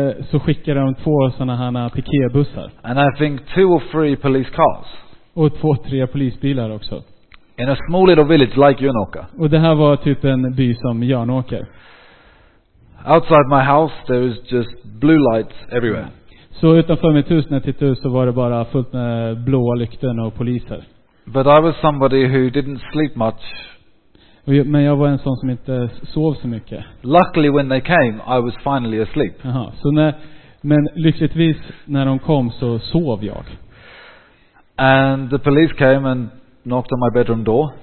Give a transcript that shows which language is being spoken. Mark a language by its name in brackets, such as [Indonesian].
[Swedish] Så skickade de två såna här piketbussar. [English] And I think two or three police cars. [Swedish] Och två, tre polisbilar också. [English] In a small little village like Jönåker. [Swedish] Och det här var typ en by som Jönåker. [English] Outside my house there was just blue lights everywhere. [Swedish] Så utanför mitt hus när jag tittade så var det bara fullt med blåa lykten och poliser. [English] But I was somebody who didn't sleep much. [Swedish] Men jag var en sån som inte sov så mycket. [English] Luckily when they came I was finally asleep. [Swedish] Aha, men lyckligtvis när de kom så sov jag. [English] And the police came and knocked on my bedroom door.